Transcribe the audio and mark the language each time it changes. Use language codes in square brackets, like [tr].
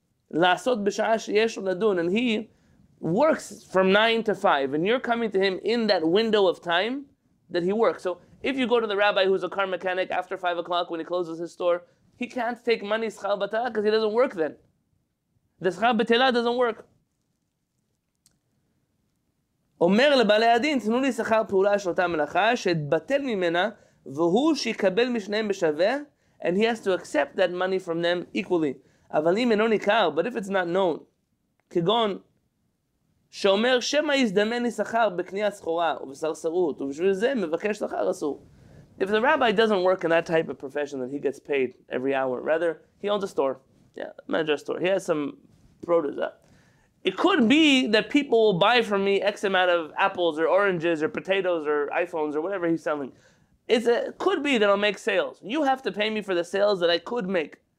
[en] And he works from 9 to 5. And you're coming to him in that window of time that he works. So if you go to the rabbi who's a car mechanic after 5 o'clock when he closes his store, he can't take money schar batala because he doesn't work then. The schar batala doesn't work. [he] אומר לבעלי הדין, תנו לי שכר פעולה של אותה מלאכה, שהתבטל ממנה, והוא שיקבל משניהם בשווה, [en] and he has to accept that money from them equally. [he] אבל אם אינו ניכר, [en] but if it's not known, [he] כגון, שאומר, שמה יזדמן לי שכר בקניית סחורה, ובסרסרות, ובשביל זה מבקש שכר אסור. [en] If the rabbi doesn't work in that type of profession that he gets paid every hour, rather, he owns a store. Yeah, manager store. He has some produce up. It could be that people will buy from me X amount of apples or oranges or potatoes or iPhones or whatever he's selling. It could be that I'll make sales. You have to pay me for the sales that I could make.